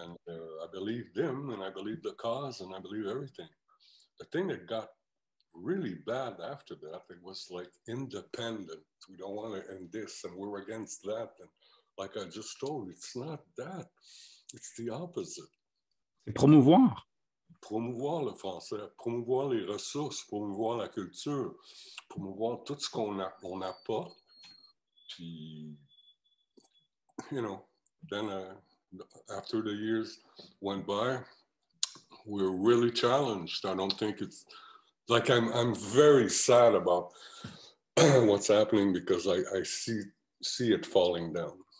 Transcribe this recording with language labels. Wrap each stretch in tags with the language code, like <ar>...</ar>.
<en>And I believed him, and I believed the cause, and I believed everything. The thing that got really bad after that, it was like independent. We don't want to end this, and we're against that, and like I just told you, it's not that. It's the opposite.</en> <fr>Promouvoir. Promouvoir le français, promouvoir les ressources, promouvoir la culture, promouvoir tout ce qu'on a pas. Puis,</fr> <en>you know, then after the years went by, we're really challenged. I don't think it's, like I'm very sad about what's happening because I see it falling down.</en>